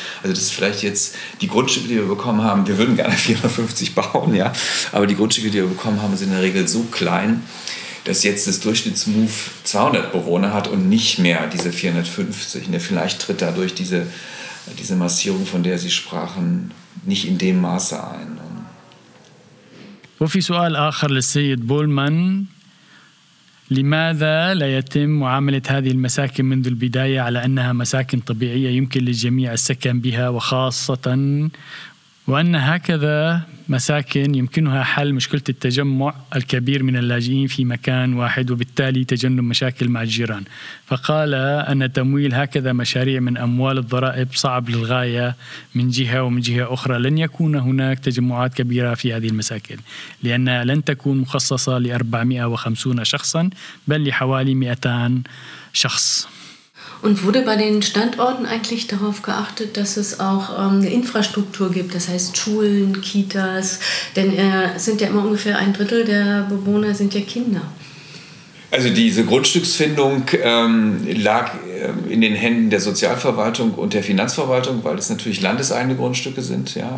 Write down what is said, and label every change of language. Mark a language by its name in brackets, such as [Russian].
[German] Also das ist vielleicht jetzt die Grundstücke, die wir bekommen haben, wir würden gerne 450 bauen, ja. Aber die Grundstücke, die wir bekommen haben, sind in der Regel so klein, dass jetzt das Durchschnittsmove 200 Bewohner hat und nicht mehr diese 450. Ne? Vielleicht tritt dadurch diese Massierung, von der Sie sprachen, nicht in dem Maße ein. [Arabic] وفي سؤال آخر للسيد بولمان لماذا لا يتم معاملة هذه المساكن منذ البداية على أنها مساكن طبيعية يمكن للجميع السكن بها وخاصة وأن هكذا مساكن يمكنها حل مشكلة التجمع الكبير من اللاجئين في مكان واحد وبالتالي تجنب مشاكل مع الجيران فقال أن تمويل هكذا مشاريع من أموال الضرائب صعب للغاية من جهة ومن جهة أخرى لن يكون هناك تجمعات كبيرة في هذه المساكن لأنها لن تكون مخصصة ل450 شخصا بل لحوالي 200 شخص. [German] Und wurde bei den Standorten eigentlich darauf geachtet, dass es auch eine Infrastruktur gibt, das heißt Schulen, Kitas, denn es sind ja immer ungefähr ein Drittel der Bewohner sind ja Kinder. Also diese Grundstücksfindung lag in den Händen der Sozialverwaltung und der Finanzverwaltung, weil es natürlich landeseigene Grundstücke sind. Ja?